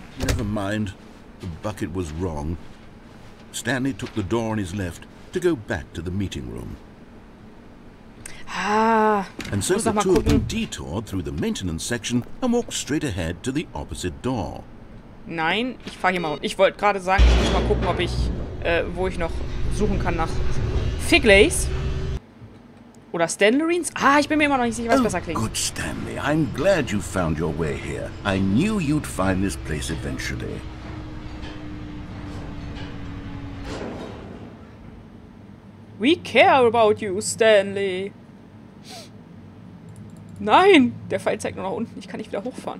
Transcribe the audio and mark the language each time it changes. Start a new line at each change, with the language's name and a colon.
English: Never mind. The bucket was wrong. Stanley took the door on his left to go back to the meeting room. Ah, and so the two of them detoured through the maintenance section and walked straight ahead to the opposite door.
German: Nein, ich fahre hier mal. Ich wollte gerade sagen, ich muss mal gucken, ob ich, wo ich noch suchen kann nach Figleys oder Stanleyrines. Ah, ich bin mir immer noch nicht sicher, was besser klingt.
English: Good Stanley, I'm glad you found your way here. I knew you'd find this place eventually. We care about you, Stanley.
German: Nein, der Pfeil zeigt nur nach unten. Ich kann nicht wieder hochfahren.